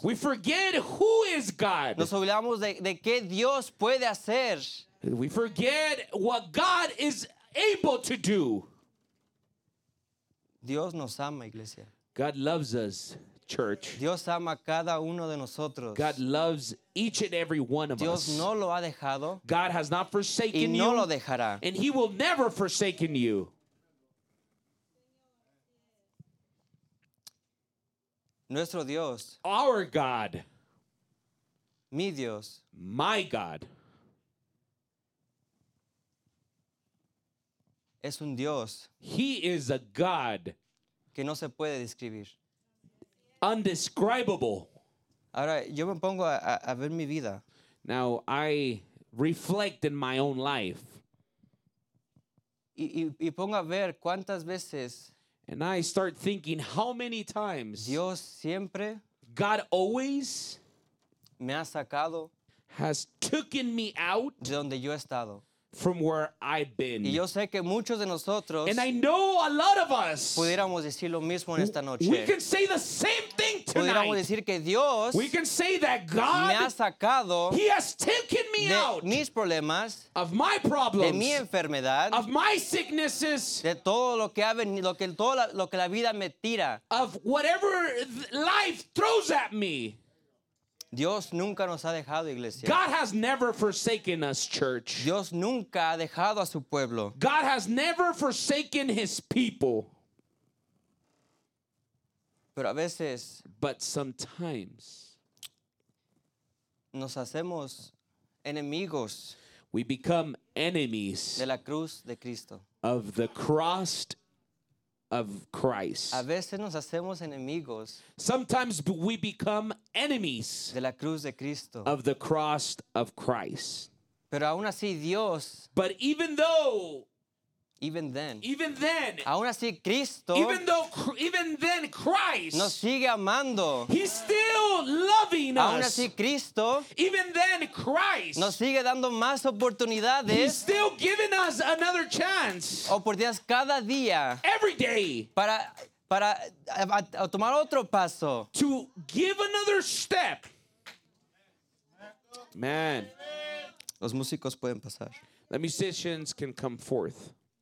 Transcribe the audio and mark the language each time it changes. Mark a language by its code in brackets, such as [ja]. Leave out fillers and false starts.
[en] We forget who is God. [es] Nos olvidamos de qué Dios puede hacer. [en] We forget what God is able to do. [es] Dios nos ama, iglesia. [en] God loves us. Church. [es] Dios ama cada uno de nosotros. [en] God loves each and every one of [es] Dios [en] us. [es] No lo ha dejado. [en] God has not forsaken [es] y no [en] you. [es] Lo dejará. [en] And he will never forsaken you. [es] Nuestro Dios. [en] Our God. [es] Mi Dios. [en] My God. [es] Es un Dios. [en] He is a God. [es] Que no se puede describir. [en] Undescribable. [es] Ahora, yo me pongo a ver mi vida. [en] Now I reflect in my own life. [es] Y pongo a ver cuántas veces. [en] And I start thinking how many times. [es] Dios siempre. [en] God always. [es] Me ha sacado. [en] Has taken me out. [es] De donde yo he estado. [en] From where I've been. [es] Y yo sé que muchos de nosotros, [en] and I know a lot of us. [es] Pudiéramos decir lo mismo en esta noche. [en] We can say the same thing tonight. [es] Pudiéramos decir que Dios, [en] we can say that God. [es] Me ha sacado, [en] he has taken me [es] de [en] out. [es] Mis problemas, [en] of my problems. [es] De mi enfermedad, [en] of my sicknesses. [es] De todo lo que ha venido, lo que la vida me tira, [en] of whatever life throws at me. [es] Dios nunca nos ha dejado, iglesia. [en] God has never forsaken us, church. [es] Dios nunca ha dejado a su pueblo. [en] God has never forsaken his people. [es] Pero a veces, [en] but sometimes, [es] nos hacemos enemigos. [en] We become enemies [es] de la cruz de Cristo. [en] Of the cross of Christ. [es] A veces nos hacemos enemigos. [en] Sometimes we become enemies. [es] De la cruz de Cristo. [en] Of the cross of Christ. [es] Pero aún así Dios. [en] But even though. Even then. Even then. [es] Aún así Cristo. [en] Even then Christ. [es] Nos sigue amando. [en] He's still loving us. [es] Aún así Cristo. [en] Even then Christ. [es] Nos sigue dando más oportunidades. [en] He's still giving us another chance. [es] Oportunidades cada día. [en] Every day. [es] Para tomar otro paso. [en] To give another step. Man. [es] Los músicos pueden pasar. [en] The musicians can come forth.